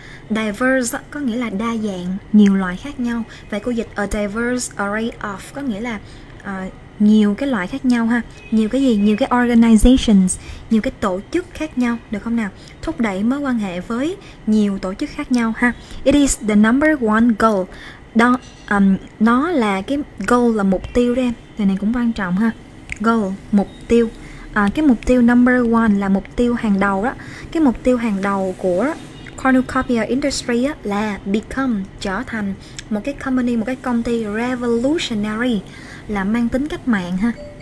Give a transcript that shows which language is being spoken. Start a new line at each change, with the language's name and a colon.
Vietnamese: Diverse có nghĩa là đa dạng, nhiều loại khác nhau. Vậy cô dịch
English: a diverse array of
Vietnamese: có nghĩa là nhiều cái loại khác nhau ha. Nhiều cái gì? Nhiều cái organizations, nhiều cái tổ chức khác nhau, được không nào? Thúc đẩy mối quan hệ với nhiều tổ chức khác nhau ha.
English: It is the number one goal.
Vietnamese: Đó, nó là cái goal, là mục tiêu đấy em. Điều này cũng quan trọng ha. Goal, mục tiêu. Cái mục tiêu number one là mục tiêu hàng đầu đó. Cái mục tiêu hàng đầu của Cornucopia Industry á, là become, trở thành một cái company, một cái công ty revolutionary, là mang tính cách mạng ha.